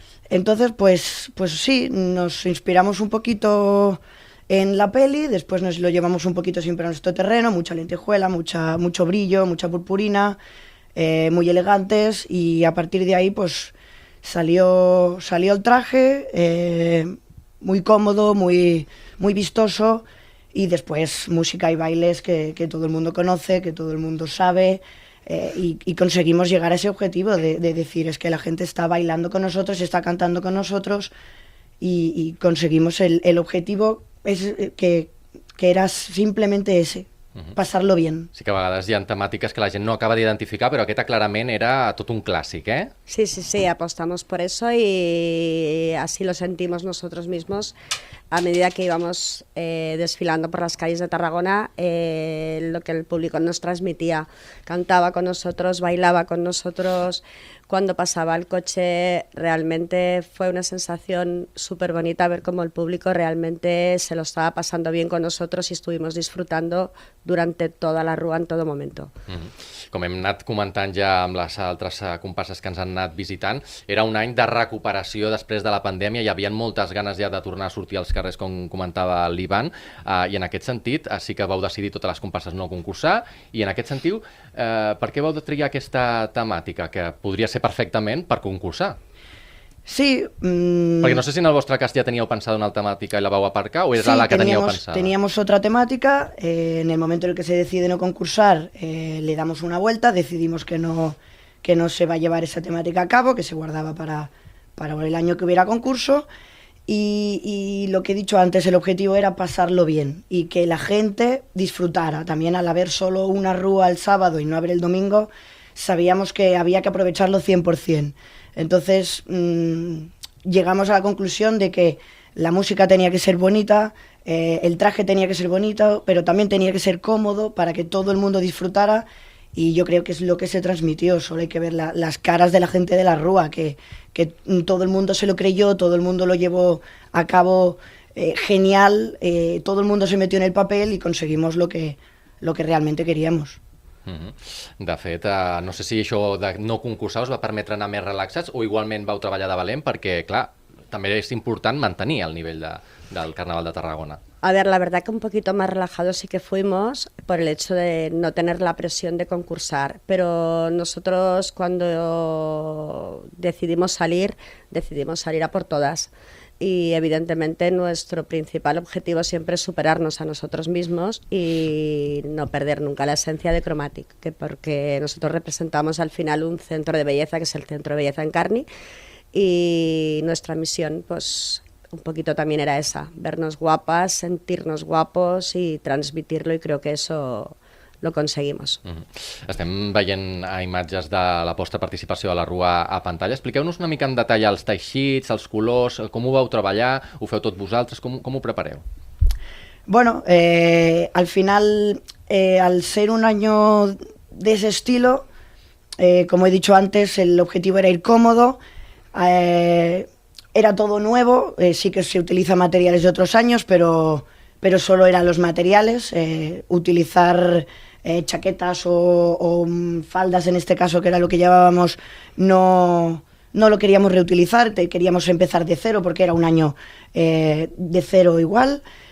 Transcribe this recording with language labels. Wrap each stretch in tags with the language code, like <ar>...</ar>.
<es>Entonces, pues sí, nos inspiramos un poquito en la peli, después nos lo llevamos un poquito siempre a nuestro terreno, mucha lentejuela, mucho brillo, mucha purpurina, muy elegantes y a partir de ahí, pues, Salió el traje, muy cómodo, muy, muy vistoso y después música y bailes que todo el mundo conoce, que todo el mundo sabe y conseguimos llegar a ese objetivo de decir es que la gente está bailando con nosotros, está cantando con nosotros y conseguimos el objetivo es que era simplemente ese.</es> <ca>Passar-lo bé. Sí que a vegades hi ha temàtiques que la gent no acaba d'identificar, però aquesta clarament era tot un clàssic, eh?</ca> <es>Sí, sí, sí, apostamos por eso y así lo sentimos nosotros mismos a medida que íbamos desfilando por las calles de Tarragona, lo que el público nos transmitía. Cantaba con nosotros, bailaba con nosotros, cuando pasaba el coche realmente fue una sensación súper bonita ver cómo el público realmente se lo estaba pasando bien con nosotros y estuvimos disfrutando durante toda la rúa en todo momento.</es> <ca>Com hem anat comentant ja amb les altres comparses que ens han anat visitant, era un any de recuperació després de la pandèmia, hi havia moltes ganes ja de tornar a sortir als carrers, com comentava l'Ivan, i en aquest sentit sí que vau decidir totes les comparses no concursar, i en aquest sentit, per què vau triar aquesta temàtica, que podria ser perfectament per concursar? Sí. Perquè no sé si en el vostre cas ja teníeu pensat una altra temàtica i la vau aparcar, o era sí, la que teníeu pensada?</ca> <es>Sí, teníamos otra temática. En el momento en el que se decide no concursar, le damos una vuelta, decidimos que no se va a llevar esa temática a cabo, que se guardaba para el año que hubiera concurso. Y lo que he dicho antes, el objetivo era pasarlo bien y que la gente disfrutara. También al haber solo una rúa el sábado y no haber el domingo, sabíamos que había que aprovecharlo 100%. Entonces llegamos a la conclusión de que la música tenía que ser bonita, el traje tenía que ser bonito, pero también tenía que ser cómodo para que todo el mundo disfrutara y yo creo que es lo que se transmitió, solo hay que ver las caras de la gente de la rúa, que todo el mundo se lo creyó, todo el mundo lo llevó a cabo genial, todo el mundo se metió en el papel y conseguimos lo que realmente queríamos.</es> <ca>De fet, no sé si això de no concursar us va permetre anar més relaxats o igualment vau treballar de valent, perquè, clar, també és important mantenir el nivell del Carnaval de Tarragona.</ca> <es>A ver, la verdad que un poquito más relajados sí que fuimos por el hecho de no tener la presión de concursar, pero nosotros cuando decidimos salir a por todas. y evidentemente nuestro principal objetivo siempre es superarnos a nosotros mismos y no perder nunca la esencia de Cromatic, que porque nosotros representamos al final un centro de belleza, que es el Centro de Belleza Encarni, y nuestra misión pues un poquito también era esa, vernos guapas, sentirnos guapos y transmitirlo, y creo que eso lo conseguimos. Uh-huh.</es> <ca>Estem veient imatges de la vostra participació a la rua a pantalla. Expliqueu-nos una mica en detall els teixits, els colors, com ho vau treballar, ho feu tot vosaltres, com ho prepareu?</ca> <es>Bueno, al final, al ser un año de ese estilo, como he dicho antes, el objetivo era ir cómodo, era todo nuevo, sí que se utiliza materiales de otros años, pero solo eran los materiales, utilizar chaquetas o faldas, en este caso, que era lo que llevábamos, no lo queríamos reutilizar, queríamos empezar de cero, porque era un año de cero igual.</es>